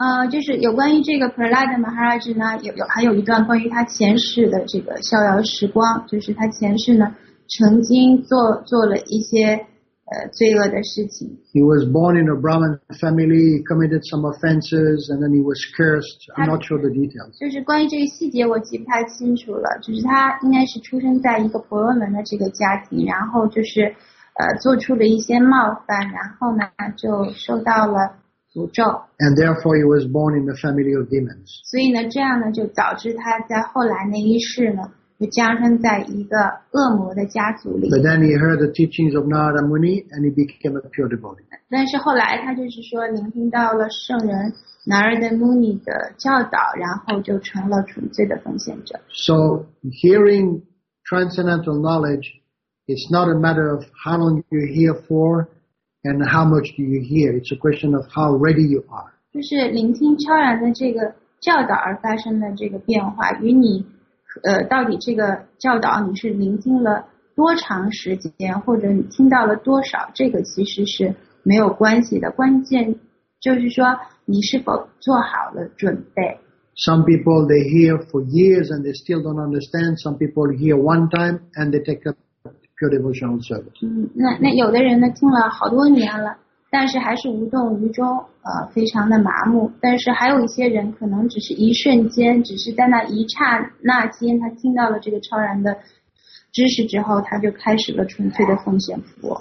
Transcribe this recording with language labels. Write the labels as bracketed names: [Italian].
[Chinese] 就是有关于这个 Prahlad Maharaj 呢，还有一段关于他前世的这个逍遥时光，就是他前世呢曾经做了一些罪恶的事情。 [English] He was born in a Brahmin family, committed some offenses, and then he was cursed. I'm not sure the details. [Chinese] 就是关于这个细节我记不太清楚了，就是他应该是出生在一个婆罗门的这个家庭，然后就是做出了一些冒犯，然后呢就受到了 [English] And therefore, he was born in the family of demons. [Chinese] 所以呢，这样呢，就导致他在后来那一世呢，就降生在一个恶魔的家族里。 [English] But then he heard the teachings of Narada Muni, and he became a pure devotee. [Chinese] 但是后来他就是说，聆听到了圣人 Narada Muni 的教导，然后就成了纯粹的奉献者。 [English] So hearing transcendental knowledge, it's not a matter of how long you hear for. And how much do you hear? It's a question of how ready you are. [Chinese] 就是聆听超然的这个教导而发生的这个变化，与你，到底这个教导你是聆听了多长时间，或者你听到了多少，这个其实是没有关系的。关键就是说你是否做好了准备。 [English] Some people they hear for years and they still don't understand. Some people hear one time and they take up. Pure devotional service. [Chinese] 那有的人呢听了好多年了，但是还是无动于衷，非常的麻木。但是还有一些人可能只是一瞬间，只是在那一刹那间，他听到了这个超然的知识之后，他就开始了纯粹的奉献服务。